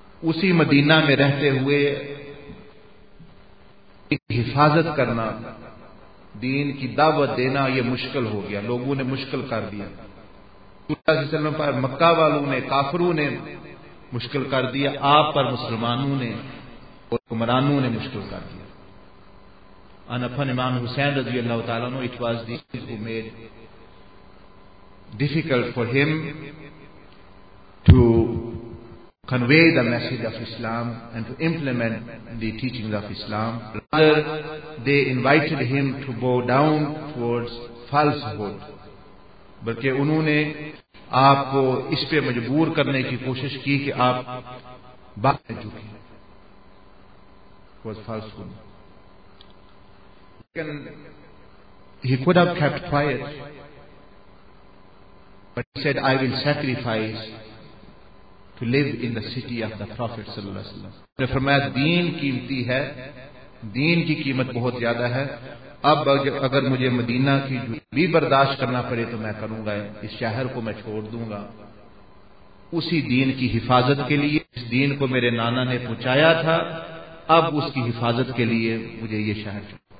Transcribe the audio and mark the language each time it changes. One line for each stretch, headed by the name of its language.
Urdu: اسی مدینہ میں رہتے ہوئے ایک حفاظت کرنا، دین کی دعوت دینا یہ مشکل ہو گیا، لوگوں نے مشکل کر دیا، صلی اللہ علیہ وسلم پر مکہ والوں نے، کافروں نے مشکل کر دیا، آپ پر مسلمانوں نے اور حکمرانوں نے مشکل کر دیا.
English: And upon Imam Hussain رضی اللہ تعالیٰ عنہ it was this who made difficult for him to convey the message of Islam and to implement the teachings of Islam. Rather, they invited him to bow down towards falsehood.
Urdu: بلکہ انہوں نے آپ کو اس پہ مجبور کرنے کی کوشش کی کہ آپ باہر جھکیں
English: towards falsehood. He could have kept quiet, but he said, I will sacrifice to live in the city of the Prophet صلی اللہ علیہ وسلم.
Urdu: نے فرمایا دین قیمتی ہے، دین کی قیمت بہت زیادہ ہے، اب اگر مجھے مدینہ کی جو بھی برداشت کرنا پڑے تو میں کروں گا، اس شہر کو میں چھوڑ دوں گا اسی دین کی حفاظت کے لیے، اس دین کو میرے نانا نے پہنچایا تھا، اب اس کی حفاظت کے لیے مجھے یہ شہر چھوڑ.